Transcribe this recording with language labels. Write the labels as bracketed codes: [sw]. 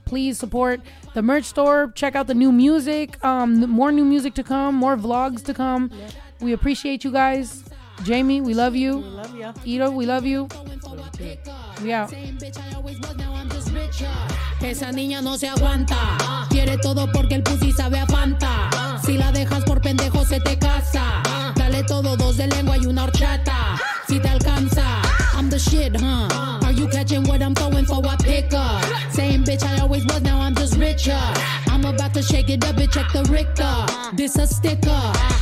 [en] Please support the merch store. Check out the new music. More new music to come, more vlogs to come. Yep. We appreciate you guys. Jaime, we love you. We love you. Ito, we love you. We out. Same bitch I always was, now I'm just richer. [es] Esa niña no se aguanta. Quiere todo porque el pussy sabe a Fanta. Si la dejas por pendejo se te casa. Dale todo, dos de lengua y una horchata. [en] Si te alcanza. I'm the shit, huh? Are you catching what I'm throwing for? I pick up. Same bitch I always was, now I'm just richer. I'm about to shake it up and check the Ricker. This a sticker.